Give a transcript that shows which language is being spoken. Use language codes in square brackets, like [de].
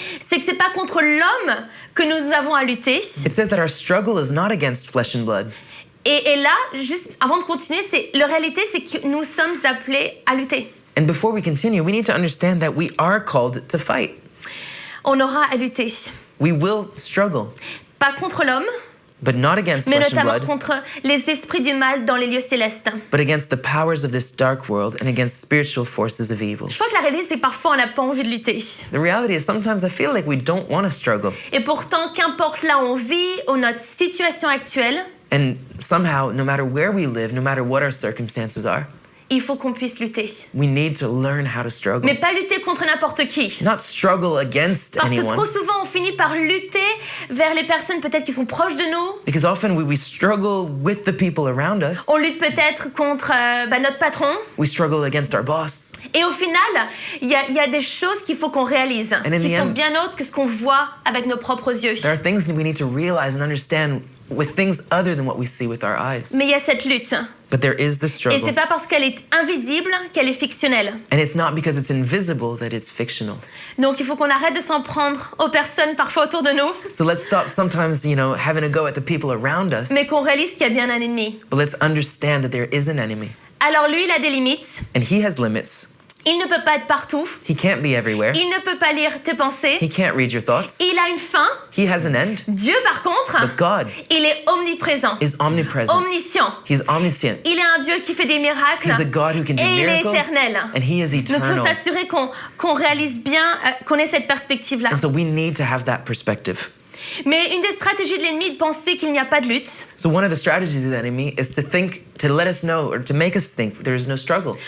[fr] C'est que c'est pas contre l'homme que nous avons à lutter. [en] It says that our struggle is not against flesh and blood. [fr] Et là, juste avant de continuer, c'est la réalité, c'est que nous sommes appelés à lutter. [en] And before we continue, we need to understand that we are called to fight. [fr] On aura à lutter. [en] We will struggle. [fr] Pas contre l'homme. [en] But not against [fr] mais [en] flesh and blood, [fr] contre les esprits du mal dans les lieux célestes. [en] But against the powers of this dark world and against spiritual forces of evil. [fr] Je crois que la réalité, c'est que parfois on n'a pas envie de lutter. [en] The reality is sometimes I feel like we don't want to struggle. [fr] Et pourtant, qu'importe là où on vit ou notre situation actuelle. [en] And somehow, no matter where we live, no matter what our circumstances are. [fr] Il faut qu'on puisse lutter. [en] We need to learn how to struggle. [fr] Mais pas lutter contre n'importe qui. [en] Not struggle against [fr] parce [en] anyone. [fr] Parce que trop souvent, on finit par lutter vers les personnes peut-être qui sont proches de nous. [en] Because often we struggle with the people around us. [fr] On lutte peut-être contre notre patron. [en] We struggle against our boss. [fr] Et au final, il y a des choses qu'il faut qu'on réalise qui sont bien autres que ce qu'on voit avec nos propres yeux. [en] There are things that we need to realize and understand with things other than what we see with our eyes. [fr] Mais il y a cette lutte. [en] But there is the struggle. [fr] Et c'est pas parce qu'elle est invisible qu'elle est fictionnelle. [en] And it's not because it's invisible that it's fictional. [fr] Donc il faut qu'on arrête de s'en prendre aux personnes parfois autour de nous. [en] So let's stop sometimes, you know, having a go at the people around us. [fr] Mais qu'on réalise qu'il y a bien un ennemi. [en] But let's understand that there is an enemy. [fr] Alors lui, il a des limites. [en] And he has limits. [fr] Il ne peut pas être partout. [en] He can't be everywhere. [fr] Il ne peut pas lire tes pensées. [en] He can't read your thoughts. [fr] Il a une fin. [en] He has an end. [fr] Dieu, par contre, [en] but God, [fr] il est omniprésent. [en] Is omnipresent. [fr] Omniscient. [en] He's omniscient. [fr] Il est un Dieu qui fait des miracles. [en] He's a God who can do [fr] et [en] miracles. [fr] Et il est éternel. [en] And he is eternal. [fr] Donc, il faut s'assurer qu'on réalise bien, qu'on ait cette perspective-là. [en] And so we need to have that perspective. [fr] Mais une des stratégies de l'ennemi est de penser qu'il n'y a pas de lutte. [en] So one of the strategies of the enemy is to think, to let us know, or to make us think there is no struggle.